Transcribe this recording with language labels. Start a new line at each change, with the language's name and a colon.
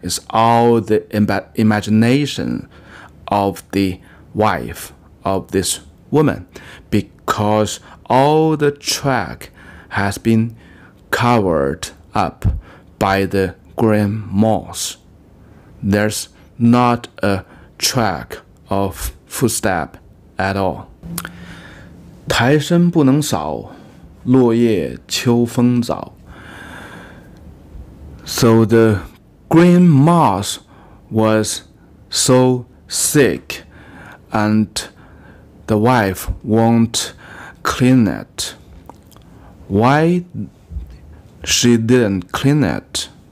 English: It's all the imagination of the wife of this woman, because all the track has been covered up by the green moss. There's not a track of footstep at all.
Chinese: 苔深不能扫，落叶秋风早。
English: So the green moss was so thick, and the wife won't clean it. Why she didn't clean it?